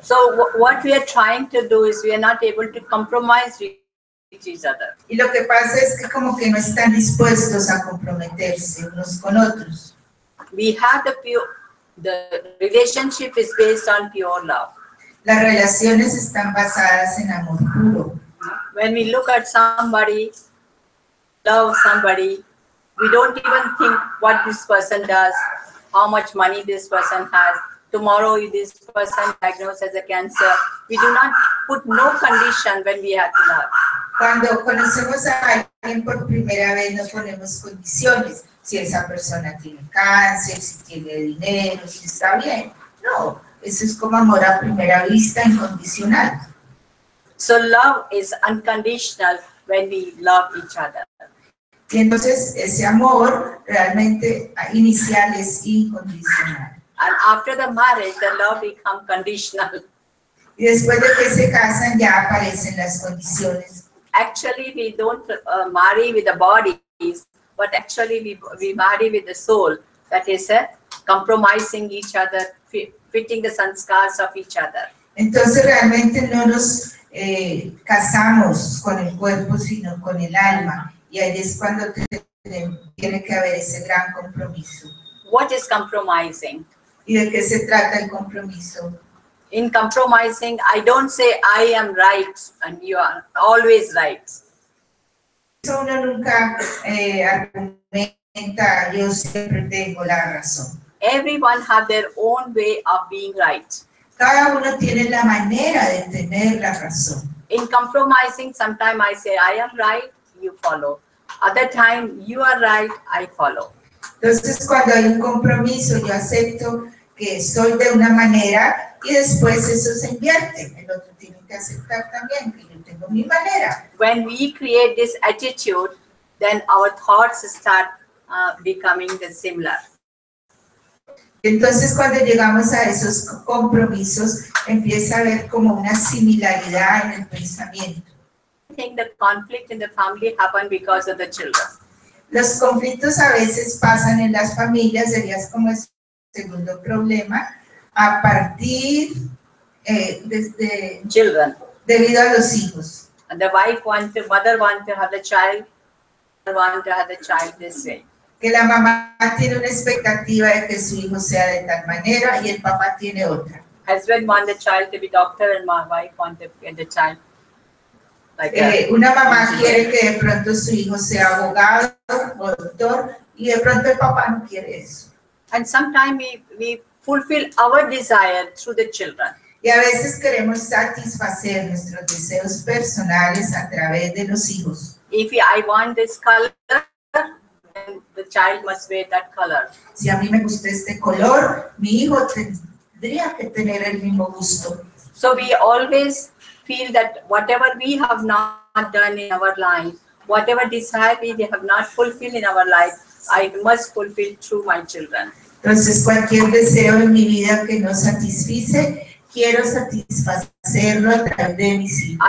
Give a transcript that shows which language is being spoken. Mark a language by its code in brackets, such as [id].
[en] So what we are trying to do is we are not able to compromise with each other. [es] Y lo que pasa es que como que no están dispuestos a comprometerse unos con otros. [en] We have the pure, the relationship is based on pure love. [es] Las relaciones están basadas en amor puro. [en] When we look at somebody, love somebody, we don't even think what this person does, how much money this person has. Tomorrow, if this person diagnosed as a cancer, we do not put no condition when we have to love. [es] Cuando conocemos a alguien por primera vez, no ponemos condiciones. Si esa persona tiene cáncer, si tiene dinero, si está bien. No, eso es como amor a primera vista, incondicional. [en] So love is unconditional when we love each other. [es] Y entonces ese amor realmente inicial es incondicional. [en] And after the marriage, the love become conditional. [es] Y después de que se casan ya aparecen las condiciones. [en] Actually, we don't marry with the bodies, but actually we marry with the soul. That is compromising each other, fitting the sanskars of each other. [es] Entonces realmente no nos casamos con el cuerpo, sino con el alma. Y ahí es cuando tiene que haber ese gran compromiso. [en] What is compromising? [es] ¿Y de qué se trata el compromiso? [en] In compromising, I don't say I am right and you are always right. [es] Eso uno nunca argumenta, yo siempre tengo la razón. [en] Everyone has their own way of being right. [es] Cada uno tiene la manera de tener la razón. [en] In compromising, sometimes I say I am right, you follow. Other time, you are right, I follow. [es] Entonces, cuando hay un compromiso, yo acepto que soy de una manera y después eso se invierte. El otro tiene que aceptar también que yo tengo mi manera. [en] When we create this attitude, then our thoughts start becoming the similar. [es] Entonces, cuando llegamos a esos compromisos, empieza a haber como una similaridad en el pensamiento. [en] Think the conflict in the family happen because of the children. [es] Los conflictos a veces pasan en las familias, sería como el segundo problema, a partir desde [en] children. [es] Debido a los hijos. [en] And the wife wants to, mother wants to have the child, want to have the child this way. [es] Que la mamá tiene una expectativa de que su hijo sea de tal manera y el papá tiene otra. [en] Husband wants the child to be doctor and my wife wants to get the child. Like [es] una mamá quiere que de pronto su hijo sea abogado o doctor y de pronto el papá no quiere eso. [en] And sometimes we fulfill our desire through the children. [es] Y a veces queremos satisfacer nuestros deseos personales a través de los hijos. [en] If I want this color, then the child must wear that color. [es] Si a mí me gusta este color, mi hijo tendría que tener el mismo gusto. [en] So we always feel that whatever we have not done in our life, whatever desire we have not fulfilled in our life, I must fulfill through my children. [es] Entonces, cualquier deseo en mi vida que no satisfice, quiero satisfacerlo a través de mis hijos.